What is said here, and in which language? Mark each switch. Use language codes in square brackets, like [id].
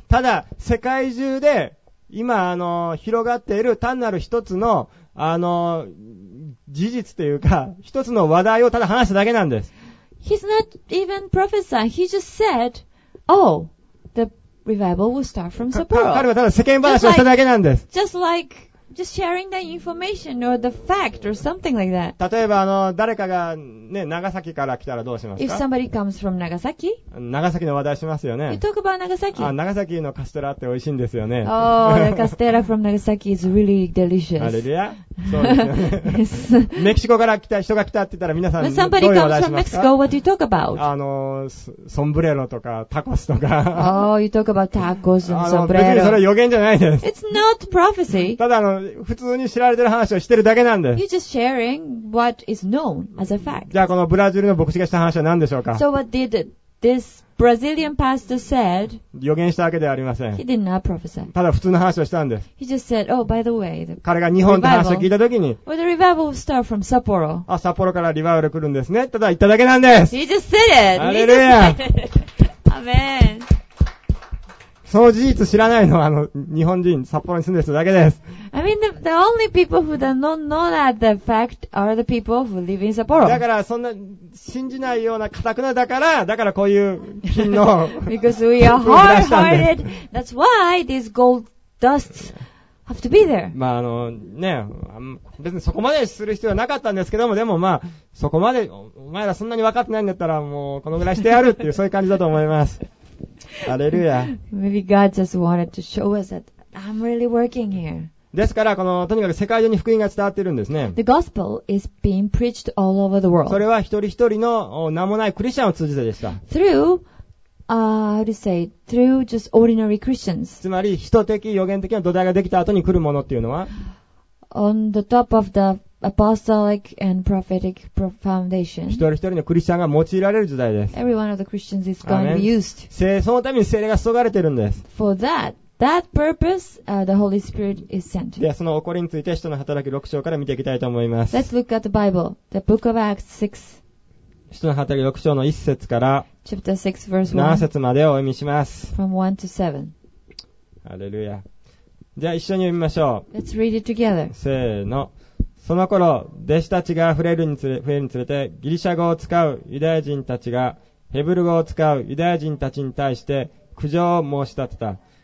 [ja] ただ、世界中で今、広がっている単なる一つの、事実というか、一つの話題をただ話しただけなんです。 [en] He's not even prophesying. He just said, oh, the revival will start from Sapporo. [ja] 彼はただ世間話をしただけなんです。 [en] Just sharing the information or the fact or something like that. [ja] 例えば誰かがね長崎から来たらどうしますか [en] ？If somebody comes from Nagasaki, [ja] 長崎の話題しますよね。 [en] You talk about Nagasaki. [ja] 長崎のカステラって美味しいんですよね。 [en] Oh, the castella from Nagasaki is really delicious. [ja] あれでや、そうですよね。メキシコから来た人が来たって言ったら皆さんどういう話しますか [en] ？When somebody comes from Mexico, what do you talk about? [ja] ソンブレロとかタコスとか。 [en] Oh, you talk about tacos and sombrero. [ja] 別にそれは予言じゃないです。 [en] It's not prophecy. [ja] ただ普通に知られてる話をしてるだけなんです。 [en] You're just sharing what is known as a fact. [ja] じゃあこのブラジルの牧師がした話は何でしょうか [en] ？So what did this Brazilian pastor said? [ja] 予言したわけではありません。 [en] He did not prophesy. [ja] ただ普通の話をしたんです。 [en] He just said, oh, by the way, the [ja] 彼が日本の話を聞いたときに、 [en] Well, the revival will start from Sapporo. [ja] あ、札幌からリバイバル来るんですね。ただ言っただけなんです。 [en] He just said it. [ja] アレルヤ。アメン。その事実知らないのは日本人、札幌に住んでる人だけです。 [en] I mean, the only people who don't know that the fact are the people who live in Sapporo. [ja] だからそんな信じないような堅くなだからこういう金の [en] Because we are hard-hearted. That's why these gold dusts have to be there. [ja] まあね、別にそこまでする必要はなかったんですけども、でもまあそこまでお前らそんなに分かってないんだったらもうこのぐらいしてやるっていうそういう感じだと思います。アレルヤ。 [en] Maybe God just wanted to show us that I'm really working here. [ja] ですから、とにかく世界中に福音が伝わっているんですね。 [en] The gospel is being preached all over the world. [ja] それは一人一人の名もないクリスチャンを通じてでした。 [en] Through, how to say, through just ordinary Christians. [ja] つまり、使徒的、預言的な土台ができた後に来るものっていうのは [en] On the top of the apostolic and prophetic foundation. [ja] 一人一人のクリスチャンが用いられる時代です。 [en] Every one of the Christians is going to be used. [ja] そのために聖霊が注がれているんです。 [en] For that purpose, the Holy Spirit is sent. [ja] ではその起こりについて使徒の働き6章から見ていきたいと思います。 [en] Let's look at the Bible, the Book of Acts 6. [ja] 使徒の働き6章の1節から [en] Chapter 6, verse 1. [ja] 7節までをお読みします。 [en] From 1 to 7. [ja] ハレルヤ。じゃあ一緒に読みましょう。 [en] Let's read it together. [ja] せーの。その頃、弟子たちが増えるにつれて、ギリシャ語を使うユダヤ人たちが、ヘブル語を使うユダヤ人たちに対して苦情を申し立てた。